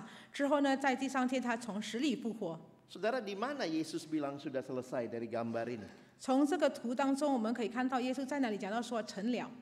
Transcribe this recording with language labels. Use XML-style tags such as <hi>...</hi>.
<zh>可是呢，这个婴孩确实是长大，然后成人，然后他侍奉，并且把他生命摆在十字架之上。之后呢，在第三天他从死里复活。</zh> <id>Saudara, di mana Yesus bilang sudah selesai dari gambar ini?</id> <zh>从这个图当中，我们可以看到耶稣在那里讲到说成了。</zh>